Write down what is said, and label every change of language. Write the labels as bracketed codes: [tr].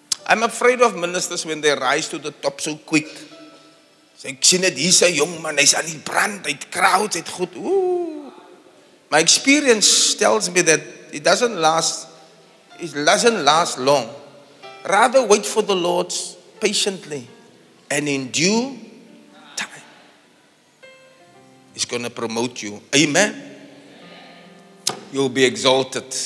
[en] I'm afraid of ministers when they rise to the top so quick. [af] Sê ek sien dit hier's 'n jong man, hy's aan die brand, hy't crowd, hy't goed. [en] My experience tells me that it doesn't last. It doesn't last long. Rather wait for the Lord patiently and in due time. He's going to promote you. Amen. You'll be exalted.